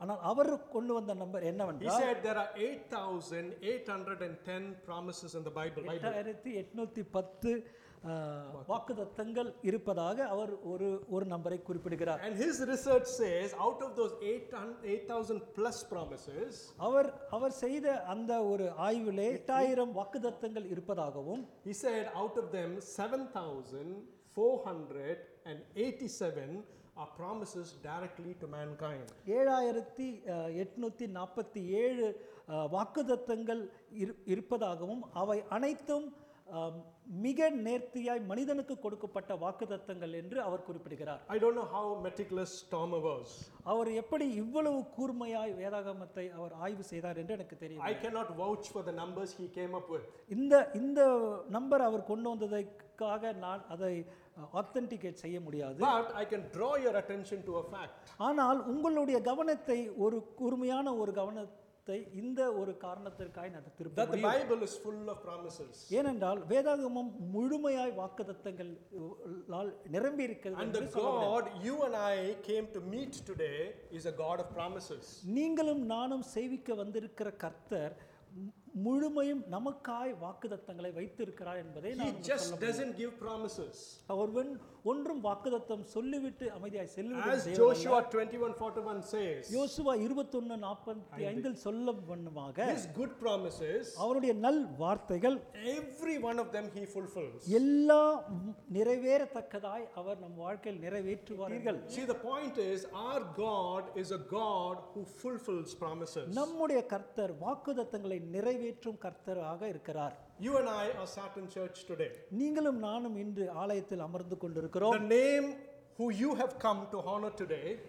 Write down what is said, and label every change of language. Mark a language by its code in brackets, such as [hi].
[ta] அவர் கொண்டு வந்த நம்பர் என்னவென்றால் [en] 8,810 promises in the Bible. [ta] 8,810 வாக்குத்தத்தங்கள் இருப்பதாக அவர் ஒரு ஒரு நம்பரை குறிப்பிடுகிறார். [en] And his research says out of those 8,000 plus promises, [ta] அவர் செய்த அந்த ஒரு ஆய்விலே 8,000 வாக்குத்தத்தங்கள் இருப்பதாகவும் [en] he said out of them 7,487 are promises directly to mankind. [ta] 7,847 வாக்குத்தத்தங்கள் இருப்பதாகவும் அவை அனைத்தும் மிக நேர்த்தியாய் மனிதனுக்கு கொடுக்கப்பட்ட வாக்குத்தத்தங்கள் என்று அவர் குறிப்பிடுகிறார். [en] I don't know how meticulous Tom was. [ta] அவர் எப்படி இவ்வளவு கூர்மையாய் வேதாகமத்தை அவர் ஆய்வு செய்தார் என்று எனக்கு தெரியும். [en] I cannot vouch for the numbers he came up with. [ta] இந்த நம்பர் அவர் கொண்டு வந்ததற்காக நான் அதை ஆத்தென்டிகேட் செய்ய முடியாது. [en] But I can draw your attention to a fact. [ta] ஆனால் உங்களுடைய கவனத்தை ஒரு கூர்மையான ஒரு கவனத்தை இந்த ஒரு காரணத்திற்காக நான் திருப்பி [en] that the Bible is full of promises. [ta] ஏனென்றால் வேதாகமம் முழுமையாய் வாக்குத்தத்தங்களால் நிரம்பி இருக்கிறது. [en] And the God you and I came to meet today is a God of promises. [ta] நீங்களும் நானும் சேவிக்க வந்திருக்கிற கர்த்தர் முழுமையும் நமக்காய் வாக்குத்தத்தங்களை வைத்திருக்கிறார் என்பதை நாம் சொல்லலாம். அவர்வன் ஒன்றும் வாக்குத்தத்தம் சொல்லிவிட்டு அமைதியாய் செல்லுகிறார். [en] As Joshua 21:41 says. [ta] யோசுவா 21:45 சொல்லும் வண்ணமாக [en] His good promises. [ta] அவருடைய நல் வார்த்தைகள் [en] every one of them he fulfills. [ta] எல்லா நிறைவேறத்தக்கதாய் அவர் நம் வாழ்க்கையில் நிறைவேற்றுவார்கள். [en] See the point is our God is a God who fulfills promises. [ta] நம்முடைய கர்த்தர் வாக்குத்தத்தங்களை நிறைவேற்றும் கர்த்தராக இருக்கிறார். [en] You and I are sat in church today. [ta] நீங்களும் நானும் இன்று ஆலயத்தில் அமர்ந்து கொண்டிருக்கிறோம். [en] The name who you have come to honor today.